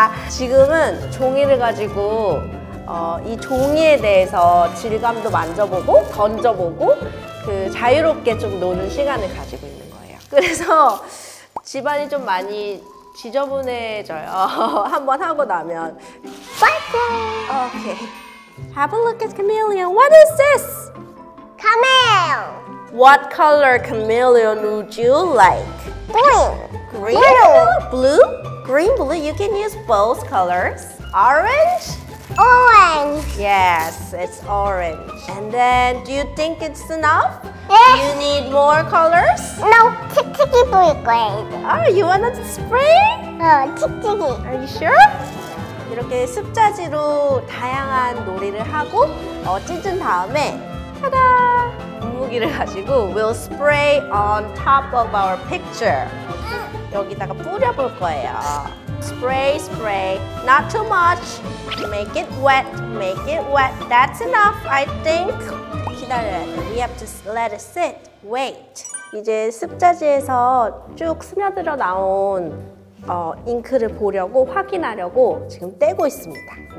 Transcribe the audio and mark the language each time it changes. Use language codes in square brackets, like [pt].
[ko] 지금은 종이를 가지고 이 종이에 대해서 질감도 만져보고 던져보고 그 자유롭게 좀 노는 시간을 가지고 있는 거예요. 그래서 집안이 좀 많이 지저분해져요. 한번 하고 나면. 파이팅! [en] Okay. Have a look at chameleon. What is this? Camel. What color chameleon would you like? Blue. Green? Blue. Blue? Green, blue. You can use both colors. Orange? Orange. Yes, it's orange. And then, do you think it's enough? Yes. Do you need more colors? No, tick-ticky blue is great. Oh, you want to spray? Tick-ticky. Are you sure? [ko] 이렇게 습자지로 다양한 놀이를 하고 찢은 다음에 따다! 분무기를 가지고 [en] we'll spray on top of our picture. [ko] 여기다가 뿌려볼 거예요. [en] Spray, spray. Not too much. Make it wet, make it wet. That's enough, I think. [ko] 기다려야 돼. [en] We have to let it sit. Wait. [ko] 이제 습자지에서 쭉 스며들어 나온 잉크를 보려고, 확인하려고 지금 떼고 있습니다.